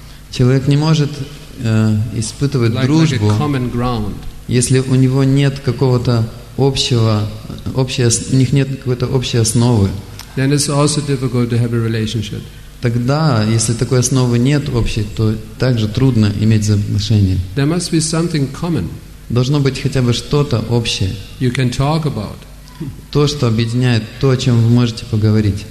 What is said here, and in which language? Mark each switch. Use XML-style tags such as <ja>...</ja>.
<ru>Человек не может испытывать дружбу,</ru> <en>like a common ground.</en> <ru>Если у него нет какого-то у них нет какой-то общей основы.</ru> <en>Then it's also difficult to have a relationship.</en> <ru>Тогда, если такой основы нет общей, то также трудно иметь взаимоотношения.</ru> <en>There must be something common.</en> <ru>Должно быть хотя бы что-то общее.</ru> <en>You can talk about.</en> <ru>То, что объединяет, то, о чем вы можете поговорить.</ru>